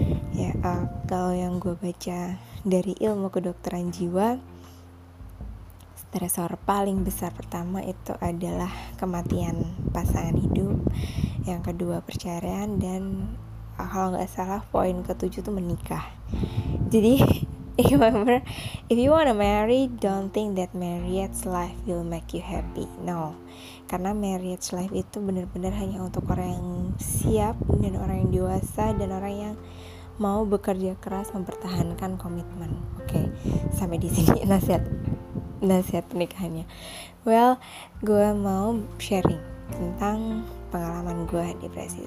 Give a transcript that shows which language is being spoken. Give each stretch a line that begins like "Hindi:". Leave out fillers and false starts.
Indonesian: Ya, kalau yang gue baca dari ilmu kedokteran jiwa, stresor paling besar pertama itu adalah kematian pasangan hidup, yang kedua perceraian, dan kalau nggak salah poin ke-7 tuh menikah.
English: Jadi remember, if you wanna marry, don't think that marriage life will make you happy.
Indonesian: No, karena marriage life itu benar-benar hanya untuk orang yang siap dan orang yang dewasa dan orang yang mau bekerja keras mempertahankan komitmen. Okay, sampai di sini nasihat pernikahannya. Well, gue mau sharing tentang pengalaman gue depresi.